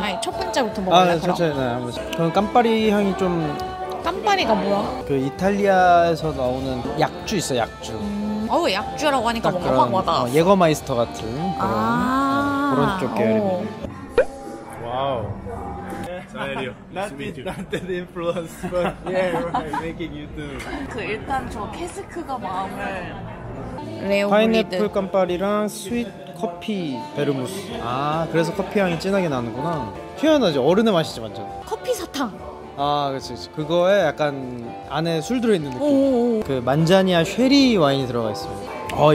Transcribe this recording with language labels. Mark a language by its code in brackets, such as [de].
[ko] 아니, 첫 번째부터 먹을래요. 네, 한번. 그럼 깜빠리 향이 좀. 깜빠리가 뭐야? 그 이탈리아에서 나오는 약주 있어, 약주. 약주라고 하니까 뭔가 그런, 확 와닿았어. 예거마이스터 같은 그런 쪽 계열입니다. 와우. 사네리오. [en] Not that influence, but yeah, right, making you do. [ko] 그 일단 저 캐스크가 마음을. 파인애플 깜빠리랑 스윗 커피 베르무스. 아, 그래서 커피 향이 진하게 나는구나. 피어나지, 어른의 맛이지 완전. 커피 사탕. 아, 그렇지. 그거에 약간 안에 술 들어있는 느낌. 그 만자니아 쉐리 와인이 들어가 있습니다.